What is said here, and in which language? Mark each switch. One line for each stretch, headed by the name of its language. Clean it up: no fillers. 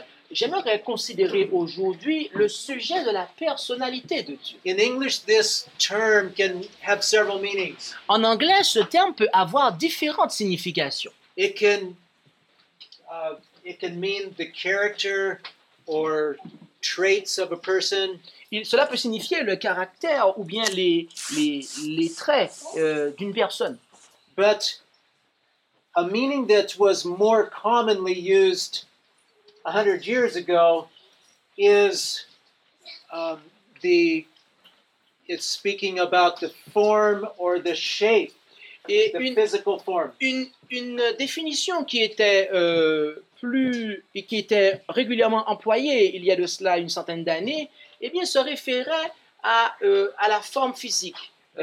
French: J'aimerais considérer aujourd'hui le sujet de la personnalité de Dieu.
English: In English, this term can have several meanings.
French: En anglais, ce terme peut avoir différentes significations.
English: It can mean the character or traits of a person.
French: Cela peut signifier le caractère ou bien les traits d'une personne.
English: But a meaning that was more commonly used 100 years ago is it's speaking about the form or the shape, physical form.
French: Une définition qui était qui était régulièrement employée il y a de cela une centaine d'années, eh bien se référait à la forme physique.